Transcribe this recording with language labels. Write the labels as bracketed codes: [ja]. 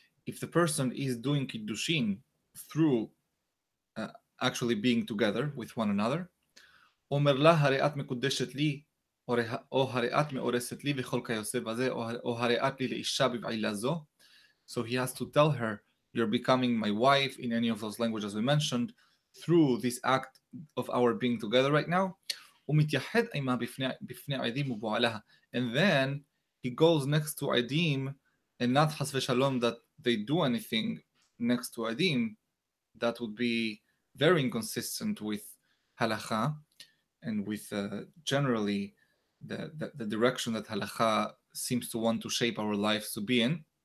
[en] If the person is doing kiddushin through actually being together with one another, [he] אומר לה, הרי את מקודשת לי, או הרי את מאורסת לי וכל כיוצא בזה, או הרי את לי לאישה בבעילה זו. [en] So he has to tell her, you're becoming my wife, in any of those languages we mentioned, through this act of our being together right now. [he] ומתייחד עימה בפני עדים ובועלה. [en] And then he goes next to עדים, and not חס ושלום that they do anything next to עדים, that would be very inconsistent with halakha, and with generally the direction that halakha seems to want to shape our lives to be in.